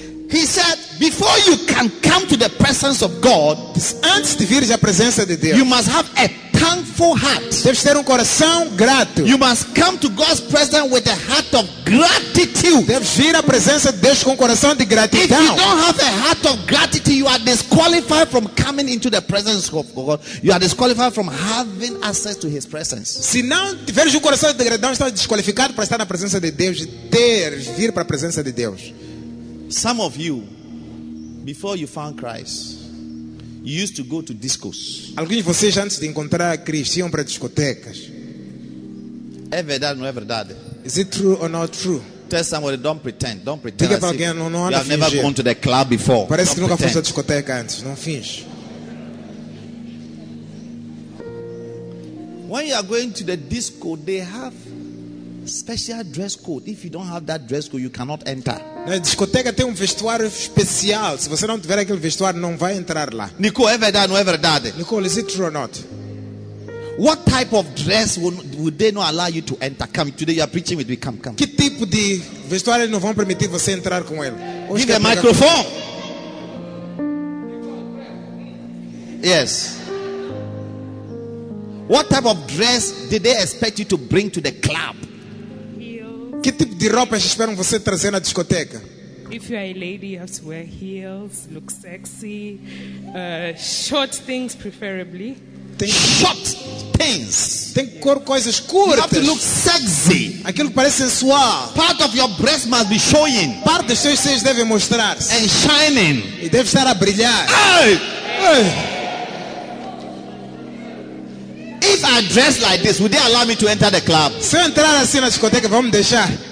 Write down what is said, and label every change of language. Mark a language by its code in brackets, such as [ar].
[en] He said, before you can come to the presence of God, [pt] antes de vir à presença de Deus, [en] you must have a thankful heart. [pt] Deves ter coração grato. [en] You must come to God's presence with a heart of gratitude. [pt] Deves vir à presença de Deus com coração de gratidão. [en] If you don't have a heart of gratitude, you are disqualified from coming into the presence of God. You are disqualified from having access to His presence. [pt] Se não tiveres coração de gratidão, estás desqualificado para estar na presença de Deus, ter vir para a presença de Deus. [en] Some of you, before you found Christ, you used to go to discos. [pt] Alguns de vocês antes de encontrar Cristo iam para discotecas. É verdade ou não é verdade? [en] Is it true or not true? Tell somebody, don't pretend. Don't pretend. [pt] Diga para alguém, não finge. [en] You have never gone to the club before. [pt] Parece que nunca foste à discoteca antes. Não finge. [en] When you are going to the disco, they have special dress code. If you don't have that dress code, you cannot enter. [pt] Na discoteca tem vestuário especial. Se você não tiver aquele vestuário, não vai entrar lá. Nicole, é verdade, não é verdade? [en] Nicole, is it true or not? What type of dress would they not allow you to enter? Come, today you are preaching with me. Come, come. [pt] Que tipo de vestuário não vão permitir você entrar com ele? [en] Give the microphone. Yes. What type of dress did they expect you to bring to the club? [pt] Que tipo de roupas esperam você trazer na discoteca? [en] If you are a lady, you have to wear heels, look sexy, short things preferably. Short things. [pt] Tem que cor coisas curtas. [en] You have to look sexy. [pt] Aquilo que parece sensual. [en] Part of your breast must be showing. [pt] Parte dos seus seios deve mostrar. [en] And shining. [pt] E deve estar a brilhar. Ei! Ei! [en] If I dress like this, would they allow me to enter the club? [pt] Se eu entrar assim na discoteca, vamos deixar.